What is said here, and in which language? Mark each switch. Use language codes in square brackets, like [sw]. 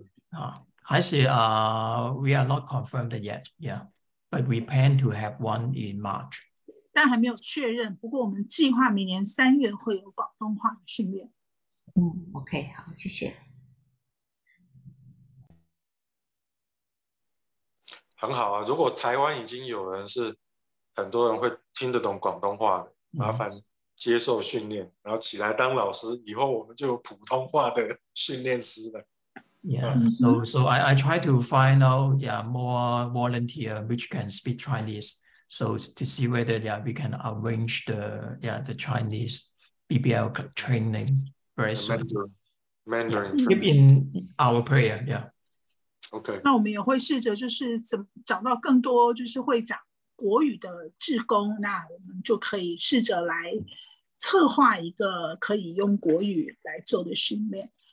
[zh] 啊，还是啊、 [en] we are not confirmed yet， yeah， but we plan to have one in March。但还没有确认，不过我们计划明年三月会有广东话的训练。 [zh] 嗯 ，OK， 好，谢谢。很好啊，如果台湾已经有人是很多人会听得懂广东话的，麻烦接受训练、嗯、然后起来当老师，以后我们就有普通话的训练师了。 [en] Yeah, so I try to find out yeah, more volunteer which can speak Chinese, so to see whether yeah, we can arrange the, yeah, the Chinese BBL training very soon. Mandarin keep in our prayer, yeah. Okay. [zh] 那我们也会试着就是怎么找到更多就是会讲国语的志工，那我们就可以试着来策划一个可以用国语来做的训练。